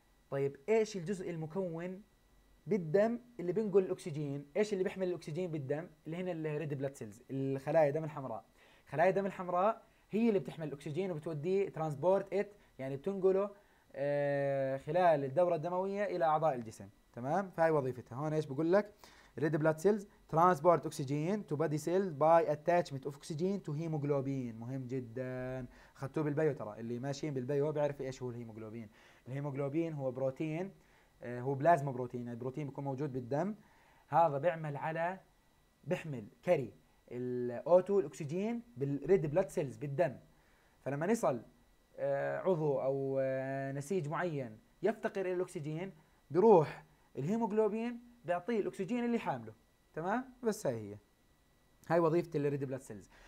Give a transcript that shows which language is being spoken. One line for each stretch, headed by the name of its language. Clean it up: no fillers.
Arabic: طيب ايش الجزء المكون بالدم اللي بينقل الاكسجين؟ ايش اللي بيحمل الاكسجين بالدم؟ اللي هنا الريد بلاد سيلز، الخلايا الدم الحمراء، خلايا الدم الحمراء هي اللي بتحمل الاكسجين وبتوديه ترانسبورت ات يعني بتنقله خلال الدوره الدمويه الى اعضاء الجسم تمام. فهي وظيفتها هون ايش بقول لك، ريد بلاد سيلز
English: transport oxygen to body cells by attachment of oxygen to hemoglobin.
Arabic: مهم جدا، خدتوه بالبيو ترى، اللي ماشيين بالبيو بيعرف ايش هو الهيموغلوبين. الهيموغلوبين هو بروتين، هو بلازما بروتين، البروتين بيكون موجود بالدم، هذا بيعمل على بيحمل كاري الاوتو الاكسجين بالريد بلاد سيلز بالدم، فلما نصل عضو او نسيج معين يفتقر الى الاكسجين بيروح الهيموغلوبين بيعطيه الاكسجين اللي حامله، تمام؟ بس هاي هي، هاي وظيفة الريد بلاد سيلز.